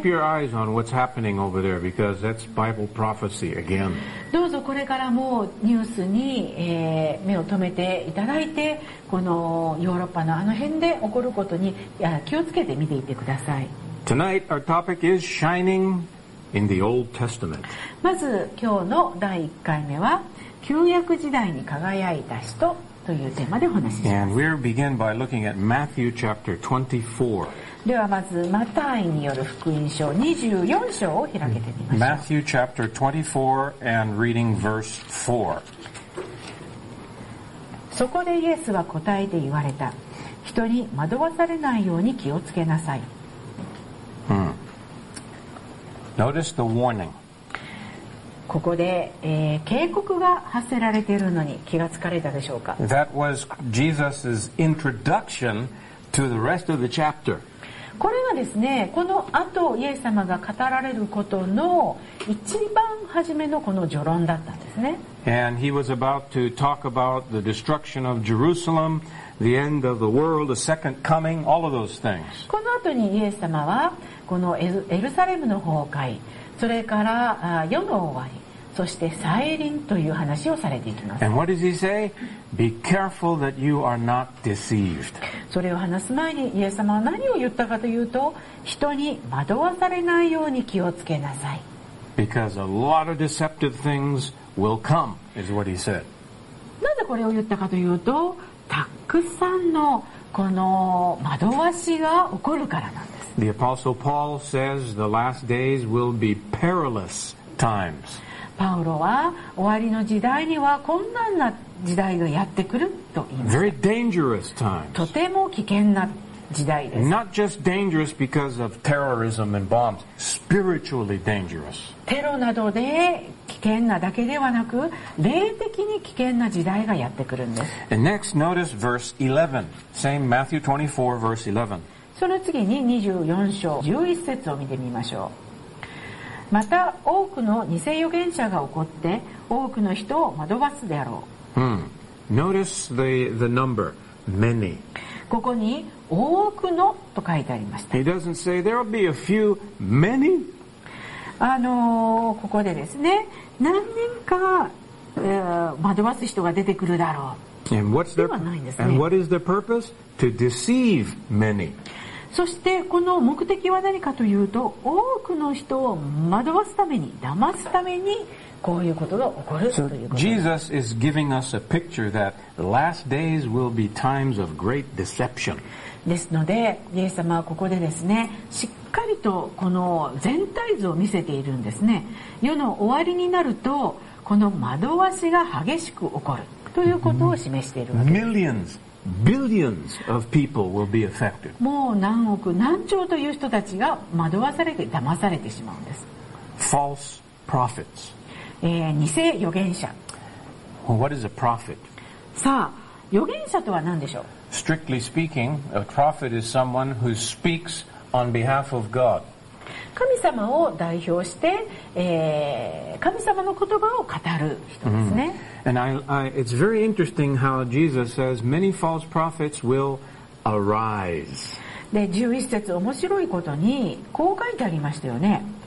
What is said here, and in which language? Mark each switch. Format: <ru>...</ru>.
<en>Keep your eyes on what's happening over there because that's Bible prophecy again.</en> <ja>どうぞこれからもニュースに、目を留めていただいて、このヨーロッパのあの辺で起こることに気をつけて見ていてください。</ja> <en>Tonight our topic is shining in the Old Testament.</en> <ja>まず今日の第一回目は旧約時代に輝いた人。</ja> <en>And we'll begin by looking at Matthew chapter 24.</en> <ja>ではまずマタイによる福音書24章を開けてみましょう。</ja> <en>Matthew chapter 24 and reading verse 4.</en> <ja>そこでイエスは答えて言われた。人に惑わされないように気をつけなさい。</ja> <en>Notice the warning.</en> <ja>ここで、警告が発せられているのに気がつかれたでしょうか。</ja> <en>That was Jesus's introduction to the rest of the chapter.</en> <ja>これがですね、この後イエス様が語られることの一番初めのこの序論だったんですね。</ja> <en>And he was about to talk about the destruction of Jerusalem, the end of the world, the second coming, all of those things.</en> <ja>この後にイエス様はこのエルサレムの崩壊、それから世の終わり、そして再臨という話をされていきます。</ja> <en>And what does he say? Be careful that you are not deceived.</en> <ja>それを話す前にイエス様は何を言ったかというと、人に惑わされないように気をつけなさい。</ja> <en>Because a lot of deceptive things will come is what he said.</en> <ja>なぜこれを言ったかというと、たくさんのこの惑わしが起こるからなんです。</ja> <en>The Apostle Paul says the last days will be perilous times.</en> <ja>パウロは終わりの時代には困難な時代がやってくると言いました。</ja> <en>Very dangerous times.</en> <ja>とても危険な時代です。</ja> <en>Not just dangerous because of terrorism and bombs. Spiritually dangerous.</en> <ja>テロなどで危険なだけではなく、霊的に危険な時代がやってくるんです。</ja> <en>And next, notice verse 11. Same Matthew 24, verse 11.</en> <ja>その次に24章11節を見てみましょう。また多くの偽預言者が起こって多くの人を惑わすであろう。</ja> <en>Notice the number, many.</en> <ja>ここに多くのと書いてありました。</ja> <en>He doesn't say there will be a few, many.</en> <ja>ここでですね、何人か、惑わす人が出てくるだろう。</ja> <en>And what is their purpose? To deceive many.</en> <ja>そしてこの目的は何かというと、多くの人を惑わすために、騙すためにこういうことが起こるということです。</ja> <en>Jesus is giving us a picture that last days will be times of great deception.</en> <ja>ですので、イエス様はここでですね、しっかりとこの全体図を見せているんですね。世の終わりになるとこの惑わしが激しく起こるということを示しているわけです。</ja> <en>MillionsBillions of people will be affected.</en> <ja>もう何億何兆という人たちが惑わされて騙されてしまうんです。</ja> <en>False prophets.</en> <ja>偽預言者。</ja> <en>Well, what is a prophet?</en> <ja>さあ、預言者とは何でしょう?</ja> <en>Strictly speaking, a prophet is someone who speaks on behalf of God.</en> <ja>神様を代表して、神様の言葉を語る人ですね。</ja> <en>And it's very interesting how Jesus says many false prophets will arise.</en> <ja>で、11節面白いことにこう書いてありましたよね。</ja>